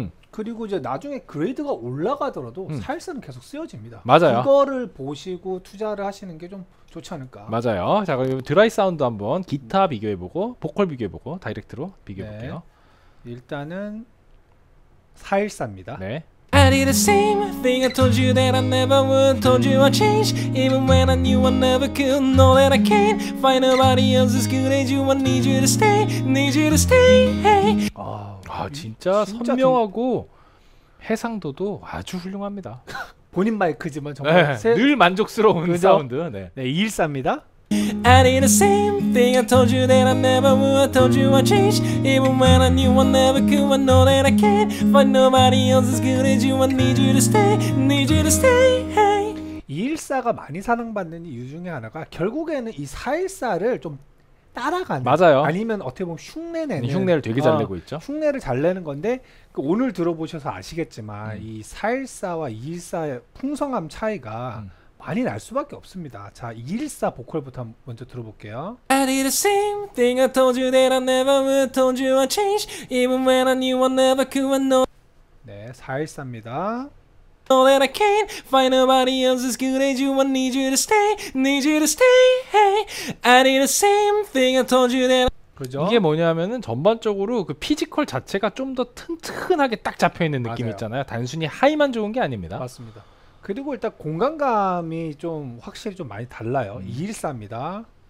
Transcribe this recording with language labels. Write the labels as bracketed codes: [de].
[ko] 그리고 이제 나중에 그레이드가 올라가더라도 사일사는 계속 쓰여집니다. 맞아요. 그거를 보시고 투자를 하시는 게 좀 좋지 않을까. 맞아요. 자 그럼 드라이 사운드 한번 기타 비교해보고 보컬 비교해보고 다이렉트로 비교해볼게요. 네. 일단은 사일사입니다. 네. [en] I did the same thing I told you that I never would told you I'd change even when I knew I never could know that I can't find nobody else as good as you I need you to stay need you to stay hey. [ko] 아 진짜 선명하고 해상도도 아주 훌륭합니다. 본인 마이크지만 정말 네, 세... 늘 만족스러운 그죠? 사운드 네. 네, 214입니다. [en] I did the same thing I told you that I never would I told you I'd change even when I knew I never could I know that I can't find nobody else as good as you I need you to stay need you to stay hey. [ko] 214가 많이 사랑받는 이유 중에 하나가 결국에는 이 414를 좀 따라가는 맞아요. 아니면 어떻게 보면 흉내내는 흉내를 되게 잘 내고 있죠. 흉내를 잘 내는 건데 그 오늘 들어보셔서 아시겠지만 이 414와 214의 풍성함 차이가 많이 날 수밖에 없습니다. 자, 214 보컬부터 먼저 들어볼게요. [en] I did the same thing I told you that I never would told you I'd change even when I knew I never could I know [ko] 네, 414입니다. [en] Know that I can't find nobody else as good as you I need you to stay, need you to stay hey. I did the same thing I told you that I... [ko] 그죠? 이게 뭐냐면은 전반적으로 그 피지컬 자체가 좀 더 튼튼하게 딱 잡혀있는 느낌 맞아요. 있잖아요. 단순히 하이만 좋은 게 아닙니다. 맞습니다. 그리고 일단 공간감이 좀 확실히 좀 많이 달라요. 214입니다.